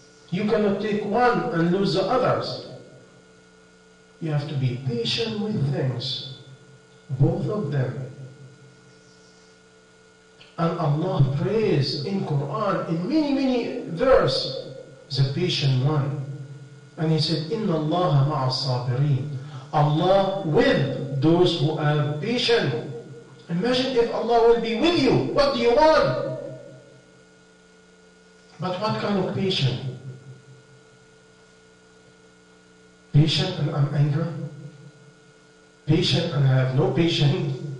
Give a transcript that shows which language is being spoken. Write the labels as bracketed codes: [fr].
[en] You cannot take one and lose the others. You have to be patient with things, both of them. And Allah prays in Quran, in many, many verses, the patient one. And He said, [ar] إِنَّ اللَّهَ مَعَ الصَّابِرِينَ. [en] Allah with those who are patient. Imagine if Allah will be with you. What do you want? But what kind of patient? Patient and I'm angry. Patient and I have no patience.